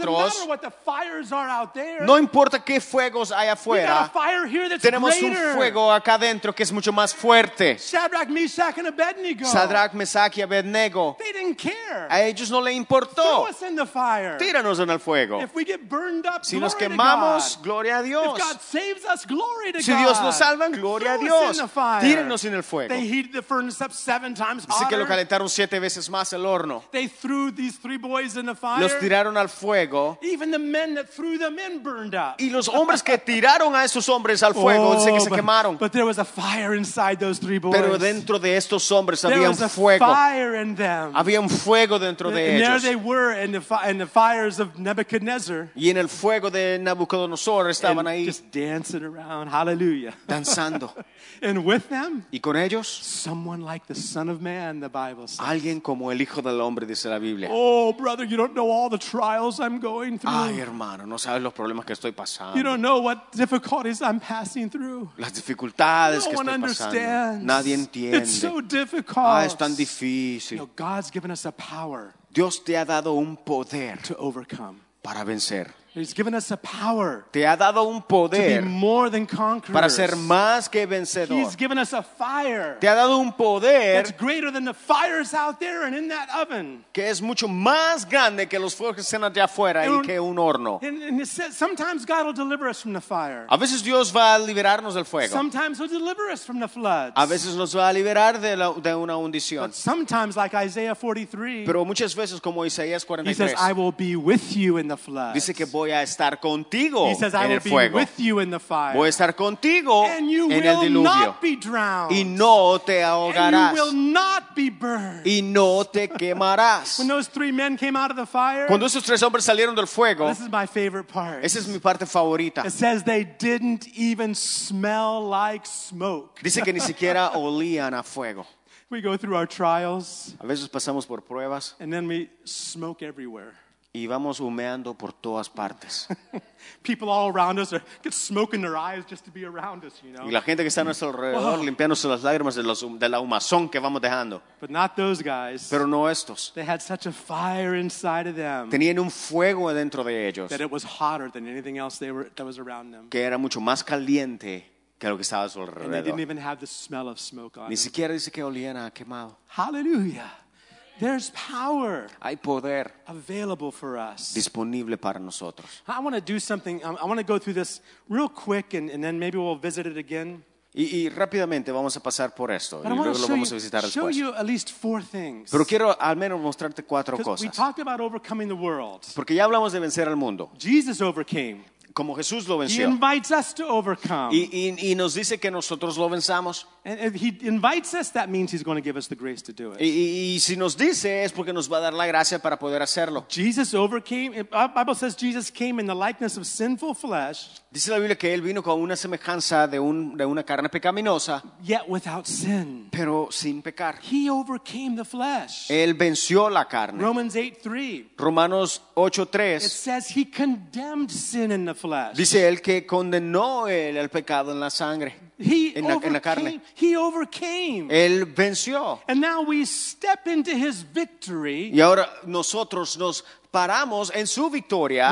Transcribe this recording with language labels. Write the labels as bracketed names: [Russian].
[English] it doesn't matter what the fires are out there. [Spanish] No importa qué fuegos hay afuera. [English] We got a fire here that's [Spanish] tenemos [English] greater. [Spanish] Un fuego acá dentro que es mucho más fuerte. [English] Shadrach, Meshach, and Abednego. [Spanish] Shadrach, Meshach, y Abednego. [English] They didn't care. [Spanish] ellos no le importó. [English] Throw us in the fire. [Spanish] Tíranos en el fuego. [English] If we get burned up, [Spanish] si nos quemamos, gloria a Dios. [English] If God saves us, glory to God. [Spanish] Si Dios nos salva, gloria a Dios. [English] Throw us in the fire. [Spanish] Tírenos en el fuego. [English] They heated the furnace up 7 times [Spanish] hotter. Dice que lo calentaron 7 veces más el horno. [English] They threw these 3 boys in the fire. [Spanish] Los tiraron al fuego. [English] Even the men that threw them in burned up. [Spanish] Y los hombres que tiraron a esos hombres al fuego, oh, dice que se quemaron. [English] But there was a fire inside those 3 boys. [Spanish] Pero dentro de estos hombres [English] there [Spanish] había un fuego. [English] Fire in them. [Spanish] Había un fuego dentro [English] and [Spanish] de [English] there [Spanish] ellos. [English] They were in the fires of Nebuchadnezzar. [Spanish] Y en el fuego de Nabucodonosor estaban [English] and [Spanish] ahí. [English] Just dancing around, hallelujah. [Spanish] Danzando. [English] And with them, [Spanish] y con ellos, [English] someone like the Son of Man, the Bible says. [Spanish] Alguien como el Hijo del Hombre, dice la Biblia. [English] Oh, brother, you don't know all the trials I'm going through. [Spanish] Ay, hermano, no sabes los problemas que estoy pasando. [English] You don't know what difficulties I'm passing through. [Spanish] Las dificultades no que estoy [English] understands. [Spanish] Pasando. Nadie entiende. [English] It's so difficult. [Spanish] Ah, es tan difícil. [English] You know, God's given us a power. [Spanish] Dios te ha dado un poder [English] to overcome. [Spanish] Para vencer. [English] He's given us a power. [Spanish] Te ha dado un poder [English] to be more than conquerors. [Spanish] Para ser más que vencedor. [English] He's given us a fire. [Spanish] Te ha dado un poder [English] that's greater than the fires out there and in that oven. [Spanish] Que es mucho más grande que los fuegos que están allá afuera y que un horno. [English] And it says, sometimes God will deliver us from the fire. [Spanish] A veces Dios va a liberarnos del fuego. [English] Sometimes he'll deliver us from the floods. [Spanish] A veces nos va a liberar de una hundición. [English] But sometimes, like Isaiah 43. [Spanish] Pero muchas veces como Isaías 43. [English] He says, I will be with you in the flood. [Spanish] Dice que voy a estar contigo [English] says, [Spanish] en el fuego. [English] With you in the fire. [Spanish] Voy a estar contigo [English] and you [Spanish] en [English] will [Spanish] el diluvio. [English] Not be drowned. [Spanish] Y no te ahogarás. [English] And you will not be burned. [Spanish] Y no te quemarás. [English] When those 3 men came out of the fire, [Spanish] cuando esos 3 hombres salieron del fuego, [English] this is my favorite part. [Spanish] Esa es mi parte favorita. [English] It says they didn't even smell like smoke. [Spanish] Dice que ni siquiera olían a fuego. [English] We go through our trials. [Spanish] A veces pasamos por pruebas. [English] And then we smoke everywhere. [Spanish] Y vamos humeando por todas partes. [English] People all around us are get smoke in their eyes just to be around us, you know. [Spanish] Y la gente que está a nuestro alrededor limpiándose las lágrimas de la humazón que vamos dejando. [English] But not those guys. [Spanish] Pero no estos. [English] They had such a fire inside of them. [Spanish] Tenían un fuego dentro de ellos. [English] That it was hotter than anything else they were that was around them. [Spanish] Que era mucho más caliente que lo que estaba a su alrededor. [English] And they didn't even have the smell of smoke on [Spanish] ni siquiera dice que olían a quemado. [English] Hallelujah. There's power. [Spanish] Hay poder [English] available for us. [Spanish] Disponible para nosotros. [English] I want to do something. I want to go through this real quick and then maybe we'll visit it again. [Spanish] Y rápidamente vamos a pasar por esto [English] but [Spanish] y luego lo vamos [English] you, [Spanish] a visitar [English] show [Spanish] después. [English] You at least 4 things. [Spanish] Pero quiero al menos mostrarte 4 cosas. [English] We talked about overcoming the world. [Spanish] Porque ya hablamos de vencer al mundo. [English] Jesus overcame. [Spanish] Como Jesús lo venció. [English] He invites us to overcome. [Spanish] Y nos dice que nosotros lo venzamos. [English] And if he invites us, that means he's going to give us the grace to do it. [Spanish] Y si nos dice, es porque nos va a dar la gracia para poder hacerlo. [English] Jesus overcame. The Bible says Jesus came in the likeness of sinful flesh. [Spanish] Dice la Biblia que él vino con una semejanza de una carne pecaminosa. [English] Yet without sin. [Spanish] Pero sin pecar. [English] He overcame the flesh. [Spanish] Él venció la carne. [English] Romans 8:3. [Spanish] Romanos 8:3. [English] It says he condemned sin in the flesh. [Spanish] Dice él que condenó el pecado en la sangre. [English] He [Spanish] en la, [English] overcame. [Spanish] En la carne. [English] He overcame. [Spanish] Él venció. [English] And now we step into his victory. [Spanish] Y ahora nosotros nos paramos en su victoria.